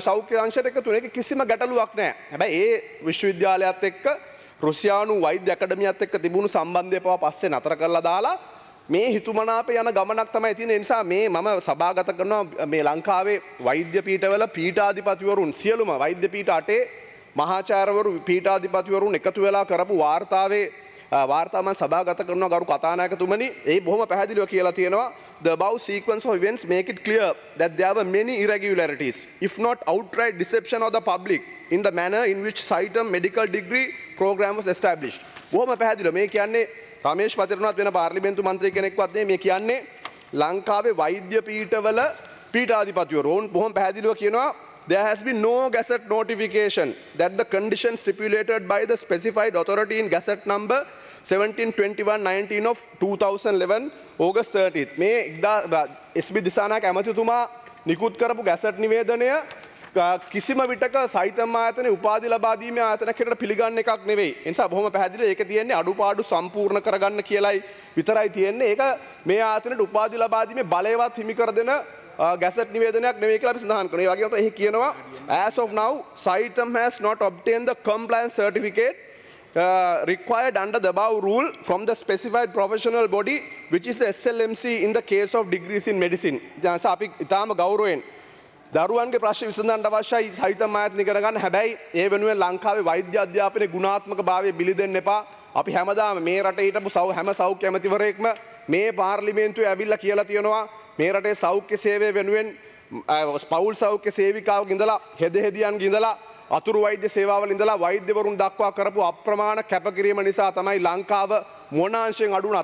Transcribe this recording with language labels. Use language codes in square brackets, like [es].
[si] සෞඛ්‍ය අංශයට එකතු වෙන එක කිසිම ගැටලුවක් නැහැ. හැබැයි ඒ විශ්වවිද්‍යාලයත් එක්ක රුසියානු වෛද්‍ය අකඩමියත් එක්ක තිබුණු සම්බන්ධය පවා පස්සේ නතර කරලා දාලා මේ හිතුමනාපේ යන ගමනක් තමයි තියෙන්නේ. ඒ නිසා මේ මම සභාගත කරනවා මේ ලංකාවේ වෛද්‍ය පීඨවල පීඨාධිපතිවරුන් සියලුම වෛද්‍ය පීඨ අටේ මහාචාර්යවරු පීඨාධිපතිවරුන් එකතු වෙලා කරපු වාර්තාවේ වාර්තාව මම සභාගත කරනවා ගරු කථානායකතුමනි. ඒ බොහොම පැහැදිලිව කියලා තියෙනවා [en] the above sequence of events make it clear that there were many irregularities if not outright deception of the public in the manner in which citem medical degree program was established. [si] බොහොම පැහැදිලිව මේ කියන්නේ රමේෂ් පතිරණවත් වෙන පාර්ලිමේන්තු මන්ත්‍රී කෙනෙක්වත් නේ මේ කියන්නේ. ලංකාවේ වෛද්‍ය පීඨවල පීඨාධිපතිවරු වොන් බොහොම පැහැදිලිව කියනවා [en] there has been no gazette notification that the conditions stipulated by the specified authority in gazette number 17-21-19 of 2011 August 30th. [si] මේ එක්දා SB දිසානායක ඇමතිතුමා නිකුත් කරපු ගැසට් නිවේදනය කිසිම විටක සයිතම් ආයතනයේ උපාධි ලබා දීමේ ආයතනයක් හැටියට පිළිගන්න එකක් නෙවෙයි. ඒ නිසා බොහොම පැහැදිලිව ඒක තියෙන්නේ අඩුපාඩු සම්පූර්ණ කරගන්න කියලයි විතරයි තියෙන්නේ. ඒක මේ ආයතනයට උපාධි ලබා දීමේ බලයවත් හිමි කර දෙන ගැසට් නිවේදනයක් නෙවෙයි කියලා අපි සඳහන් කරනවා. ඒ වගේම එහි කියනවා [en] as of now SAITM has not obtained the compliance certificate required under the above rule from the specified professional body which is the SLMC in the case of degrees in medicine. [si] දැන් අපි ඊටාම ගෞරවයෙන් දරුවන්ගේ ප්‍රශ්න විසඳන්න අවශ්‍යයි සහිතම් ආයතන කර ගන්න. හැබැයි ඒ වෙනුවෙන් ලංකාවේ වෛද්‍ය අධ්‍යාපනයේ ගුණාත්මක භාවය බිලි දෙන්න එපා. අපි හැමදාම මේ රටේ හිටපු හැම සෞඛ්‍ය ඇමතිවරයෙක්ම මේ පාර්ලිමේන්තුවේ ඇවිල්ලා කියලා තියෙනවා මේ රටේ සෞඛ්‍ය සේවය වෙනුවෙන් පෞල් සෞඛ්‍ය සේවිකාවක ඉඳලා හෙද හෙදියන් ගිඳලා අතුරු වෛද්‍ය සේවාවල ඉඳලා වෛද්‍යවරුන් දක්වා කරපු අප්‍රමාණ කැපකිරීම නිසා තමයි ලංකාව මොනාංශයෙන් අඩු වුණා.